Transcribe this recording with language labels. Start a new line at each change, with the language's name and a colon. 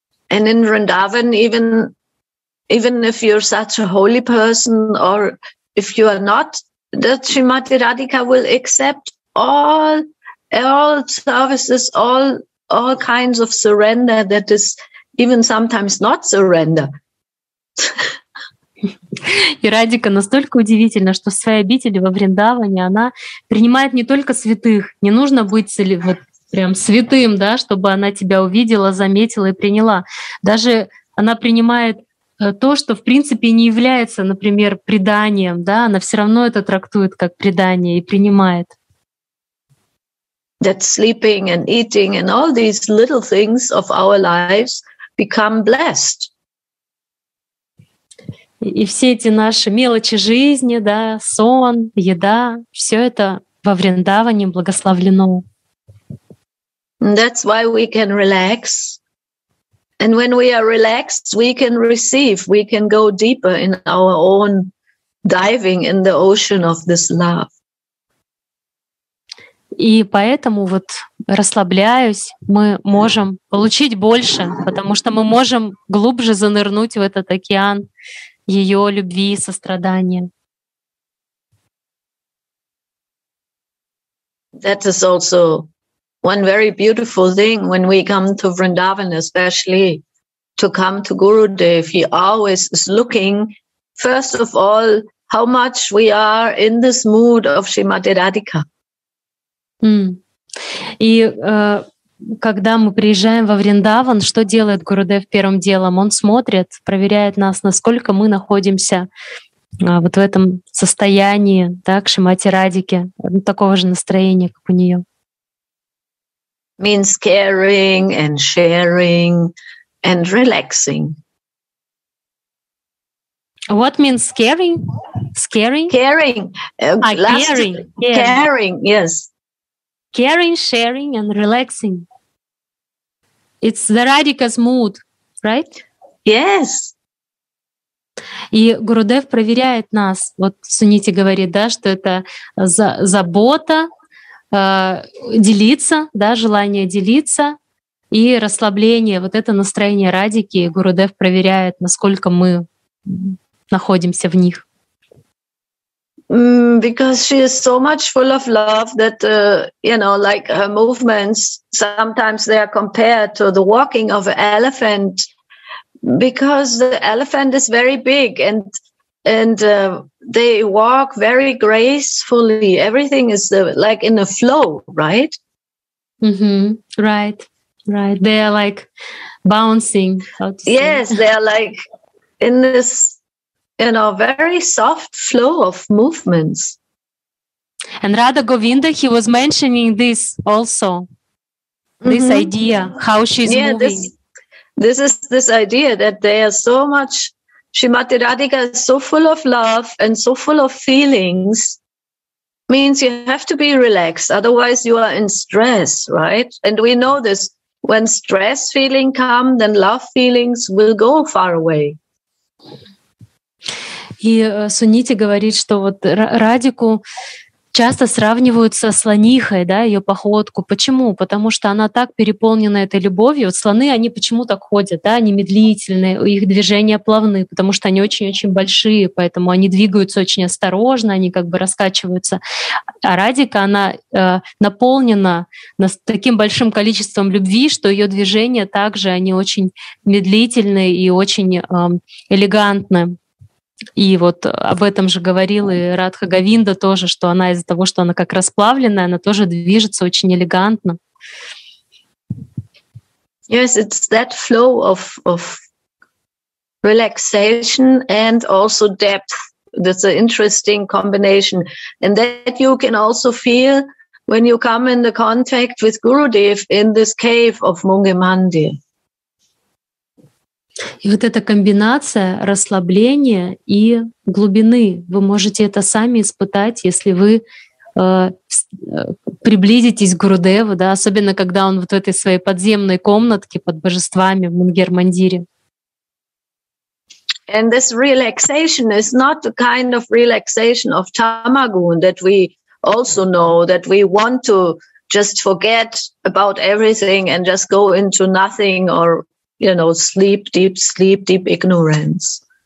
English: And in Vrindavan, even if you're such a holy person, or if you are not, that Srimati Radhika will accept all services, all kinds of surrender that is even sometimes not surrender.
Russian: И Радика настолько удивительна, что в своей обители во Вриндаване она принимает не только святых. Не нужно быть вот прям святым, да, чтобы она тебя увидела, заметила и приняла. Даже она принимает то, что в принципе не является, например, преданием, да, она все равно это трактует как предание и принимает.
English: That sleeping and eating and all these little things of our lives become blessed.
Russian: И все эти наши мелочи жизни, да, сон, еда, все это во Вриндаване благословлено.
English: That's why we can relax. And when we are relaxed, we can receive, we can go deeper in our own diving in the ocean of this love.
Russian: И поэтому вот расслабляюсь, мы можем получить больше, потому что мы можем глубже занырнуть в этот океан ее любви и сострадания.
English: That is also one very beautiful thing when we come to Vrindavan, especially to come to Gurudev. He always is looking, first of all, how much we are in this mood of Srimati Radhika.
Russian: И когда мы приезжаем во Вриндаван, что делает Гурудев первым делом? Он смотрит, проверяет нас, насколько мы находимся вот в этом состоянии, да, к Шримати Радике, ну, такого же настроения, как у нее.
English: Means caring and sharing and relaxing. What means caring? Scaring? Caring. Caring. Caring, yes. Caring, sharing and relaxing. It's the Radhika's mood, right? Yes.
Russian: И Гурудев проверяет нас. Вот Сунити говорит, да, что это забота, делиться, да, желание делиться и расслабление, вот это настроение Радики, Гурудев проверяет, насколько мы находимся в них.
English: Because she is so much full of love that, you know, like her movements, sometimes they are compared to the walking of an elephant, because the elephant is very big and And they walk very gracefully. Everything is like in a flow, right? Mm-hmm. Right, right. They are like bouncing. Yes, they are like in this, in a very soft flow of movements. And Radha Govinda, he was mentioning this also, this mm-hmm. idea, how she's yeah, moving. This is this idea that they are so much, Srimati Radhika is so full of love and so full of feelings, means you have to be relaxed, otherwise you are in stress, right? And we know this, when stress feeling come, then love feelings will go far away.
Russian: И Сунити говорит, что вот Радику часто сравнивают со слонихой, да, ее походку. Почему? Потому что она так переполнена этой любовью. Вот слоны, они почему так ходят, да, они медлительные, их движения плавны, потому что они очень-очень большие, поэтому они двигаются очень осторожно, они как бы раскачиваются. А Радика, она наполнена таким большим количеством любви, что ее движения также, они очень медлительные и очень элегантны. И вот об этом же говорил и Радха Говинда тоже, что она из-за того, что она как расплавленная, она тоже движется очень элегантно.
English: Yes, it's that flow of relaxation and also depth. That's an interesting combination. And that you can also feel when you come into contact with Gurudev in this cave of Munge Mandir.
Russian: И вот эта комбинация расслабления и глубины, вы можете это сами испытать, если вы приблизитесь к Гурудеву, да, особенно когда он вот в этой своей подземной комнатке под божествами в Мунгер-Мандире.
English: And this relaxation is not the kind of relaxation of Tamagun that we also know, that we want to just forget about everything and just go into nothing or you know, sleep, deep ignorance.